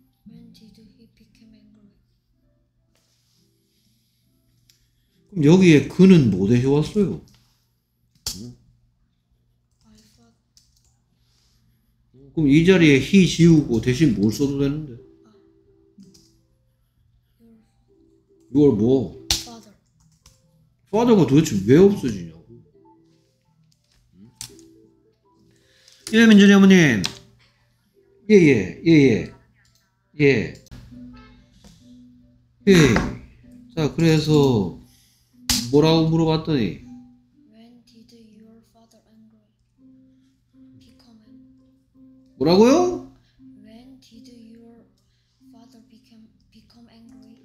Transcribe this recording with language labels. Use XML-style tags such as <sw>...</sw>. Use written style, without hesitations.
<en>When did he become angry?</en> <ko>그럼 여기에 그는 뭐 대신 왔어요?</ko> <en>I thought.</en> <ko>그럼 이 자리에 he 지우고 대신 뭘 써도 되는데? 6월 뭐?</ko> <en>Father.</en> <ko>Father가 도대체 왜 없어지냐고. 예, 민준이 어머님. 예, 예, 예, 예. 예. 예. 자, 그래서 뭐라고 물어봤더니</ko> <en>When did your father angry? Become angry.</en> <ko>뭐라고요?</ko> <en>When did your father become angry?</en>